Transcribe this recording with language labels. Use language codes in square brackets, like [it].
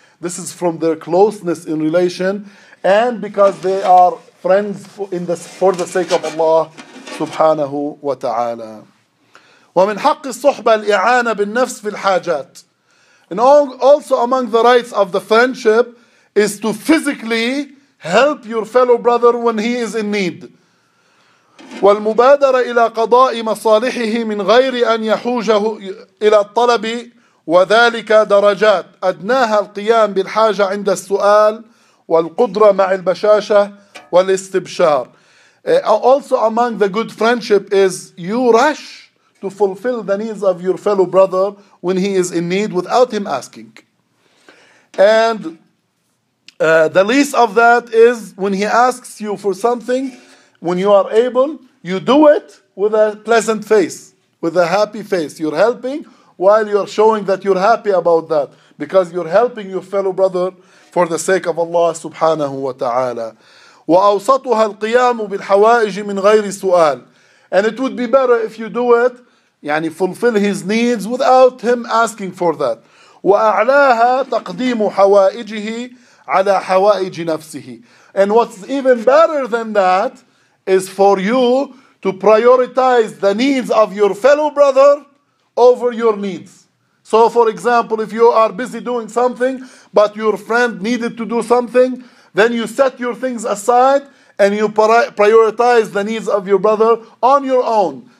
[en] This is from their closeness in relation and because they are friends for the sake of Allah subhanahu wa ta'ala. [ar] وَمِنْ حَقِّ الصُّحْبَةِ الْإِعَانَ بِالنَّفْسِ فِي الْحَاجَاتِ. [en] And also among the rights of the friendship is to physically help your fellow brother when he is in need. [ar] والمبادرة إلى قضاء مصالحه من غير أن يحوجه إلى الطلب وذلك درجات أدناها القيام بالحاجة عند السؤال والقدرة مع البشاشة والاستبشار. [en] Also among the good friendship is you rush to fulfill the needs of your fellow brother when he is in need without him asking. And the least of that is when he asks you for something, when you are able, you do it with a pleasant face, with a happy face. You're helping while you're showing that you're happy about that, because you're helping your fellow brother for the sake of Allah subhanahu wa ta'ala. [ar] وَأَوْسَطُهَا الْقِيَامُ بِالْحَوَائِجِ مِنْ غَيْرِ سُؤَالٍ. [en] And it would be better if you do it, يعني fulfill his needs without him asking for that. [ar] وأعلاها تقديم حوائجه على حوائج نفسه. [en] And what's even better than that is for you to prioritize the needs of your fellow brother over your needs. So for example, if you are busy doing something, but your friend needed to do something, then you set your things aside and you prioritize the needs of your brother on your own.